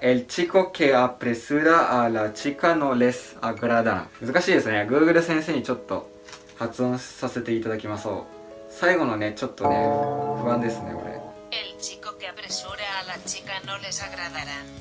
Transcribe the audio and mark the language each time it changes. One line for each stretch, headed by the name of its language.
Spanish: El chico que apresura a la chica no les agradará.
Japanese: 難しいですね。 Google 先生にちょっと発音させていただきましょう。最後のね、ちょっとね、不安ですね、これ。
Spanish: El chico que apresura a la chica no les agradará.